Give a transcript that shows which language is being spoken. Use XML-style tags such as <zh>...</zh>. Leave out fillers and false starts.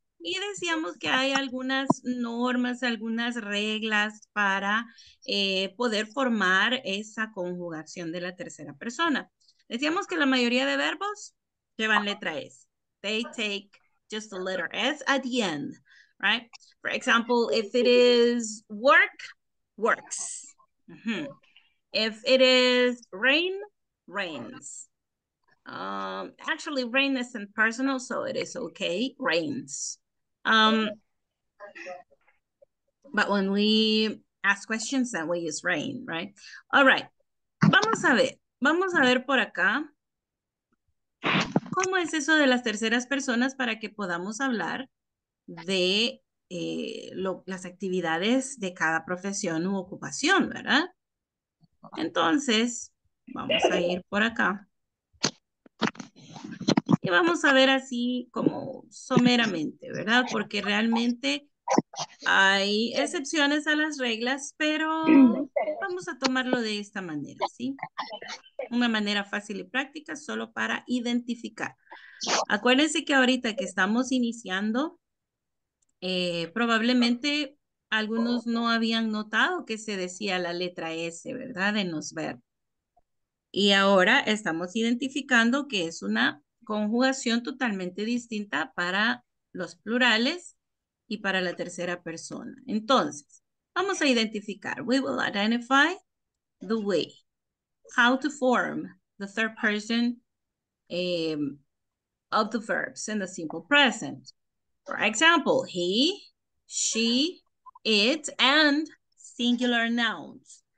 <es>Y decíamos que hay algunas normas, algunas reglas para poder formar esa conjugación de la tercera persona. Decíamos que la mayoría de verbos llevan letra S.</es> <en>They take just the letter S at the end, right? For example, if it is work, works. Mm-hmm. If it is rain, rains. Actually, rain isn't personal, so it is okay, rains. But when we ask questions, then we use rain, right? All right.</en> <es>Vamos a ver por acá. ¿Cómo es eso de las terceras personas para que podamos hablar de las actividades de cada profesión u ocupación, ¿verdad? Entonces, vamos a ir por acá. Y vamos a ver así como someramente, ¿verdad? Porque realmente hay excepciones a las reglas, pero vamos a tomarlo de esta manera, ¿sí? Una manera fácil y práctica solo para identificar. Acuérdense que ahorita que estamos iniciando, probablemente algunos no habían notado que se decía la letra S, ¿verdad? En los verbos. Y ahora estamos identificando que es una conjugación totalmente distinta para los plurales y para la tercera persona. Entonces, vamos a identificar.</es> <en>We will identify the way, how to form the third person of the verbs in the simple present. For example, he, she, it, and singular nouns.</en>